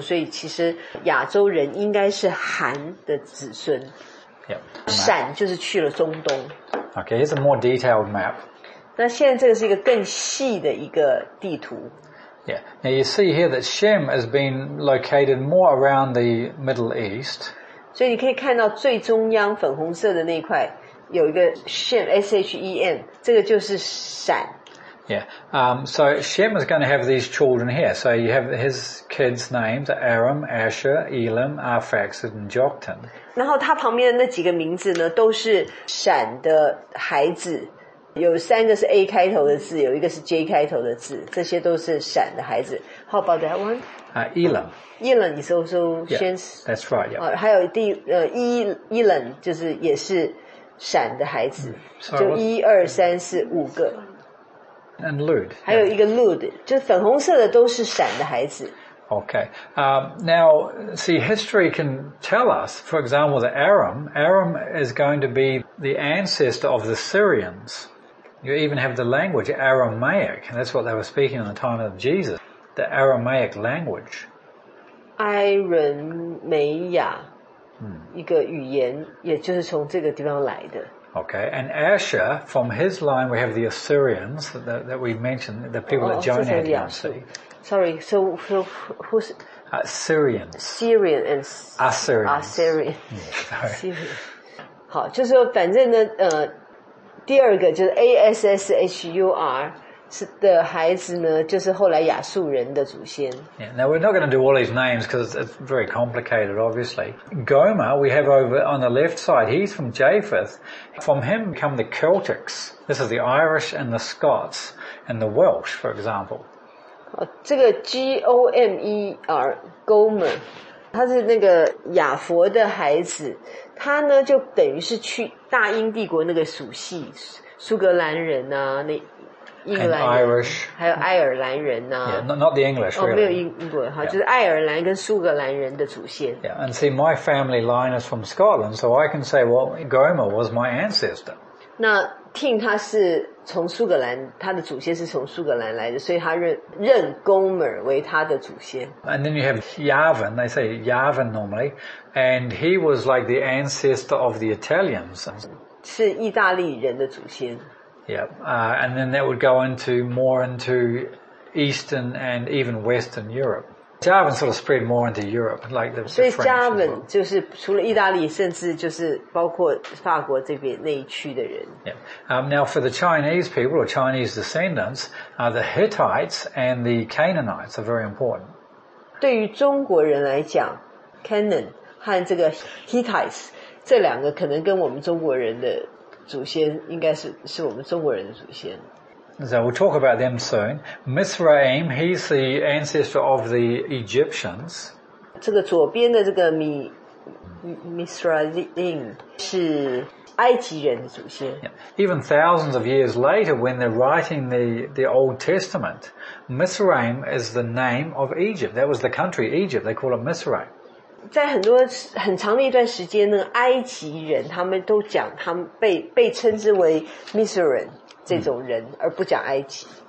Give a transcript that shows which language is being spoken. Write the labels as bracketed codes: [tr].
[zh] 所以其实亚洲人应该是韩的子孙。 [en] Yep. [zh] 闪就是去了中东。 [en] Okay, here's a more detailed map. [zh] 那现在这个是一个更细的一个地图。 [en] Yeah, now you see here that Shem has been located more around the Middle East. [zh] 所以你可以看到最中央粉红色的那一块有一个 Shem, S-H-E-M, 这个就是闪。 [en] Yeah, so Shem is going to have these children here. So you have his kids' names, Aram, Asher, Elam, Arphaxad, and Joktan. [zh] 然后他旁边的那几个名字呢都是闪的孩子。有三个是 A 开头的字，有一个是 J 开头的字，这些都是闪的孩子。 [en] How about that one? Elam. Elam is also Shem's. Yeah, that's right, yeah. [zh] 还有Elam 就是也是闪的孩子。 [en] Sorry, [zh] 就一二三四五个。 [en] And Lud. [zh] 还有一个 Lud, 就粉红色的都是闪的孩子。 [en] Okay. Now, see, history can tell us, for example, that Aram is going to be the ancestor of the Syrians. You even have the language Aramaic, and that's what they were speaking in the time of Jesus, the Aramaic language. [zh] Aramaya, 一个语言也就是从这个地方来的。 [en] Okay, and Asher, from his line, we have the Assyrians that we mentioned, the people that Jonah had to see. Sorry, so who's... Assyrians. Assyrian and... Assyrians. Assyrian. [zh] 好，就是说反正呢，第二个就是 A-S-S-H-U-R 是的孩子呢，就是后来亚述人的祖先。 [en] Yeah, now, we're not going to do all these names because it's very complicated, obviously. Gomer, we have over on the left side, he's from Japheth. From him come the Celtics. This is the Irish and the Scots and the Welsh, for example. [zh] 这个 G-O-M-E-R Gomer 他是那个亚佛的孩子他呢就等于是去大英帝国那个属系苏格兰人啊那英格兰人 [en] Irish, [zh] 还有爱尔兰人啊 [en] yeah, not the English、really. [zh] 哦、没有英国、yeah. 就是爱尔兰跟苏格兰人的祖先 [en] yeah, And see my family line is from Scotland so I can say well Gomer was my ancestor [zh] 那听他是从苏格兰他的祖先是从苏格兰来的所以他认 Gomer 为他的祖先 [en] And then you have Yavin They say Yavin normally And he was like the ancestor of the Italians [zh] 是意大利人的祖先 [en] Yeah、And then that would go into more into Eastern and even Western Europe Yavin sort of spread more into Europe like the [zh] 所以 Yavin 就是除了意大利甚至就是包括法国这边那一区的人 [en] Yeah. Now for the Chinese people or Chinese descendants the Hittites and the Canaanites are very important [zh] 对于中国人来讲 Canaan 和这个 Hittites 这两个可能跟我们中国人的祖先应该是我们中国人的祖先 [en] So we'll talk about them soon Mizraim, he's the ancestor of the Egyptians [zh] 这个左边的这个 Mizraim 是埃及人的祖先 [en] Even thousands of years later when they're writing the Old Testament Mizraim is the name of Egypt That was the country Egypt, they call it Mizraim [zh] 在很长的一段时间那个埃及人他们都讲他们被称之为 Mizraim 这种人而不讲埃及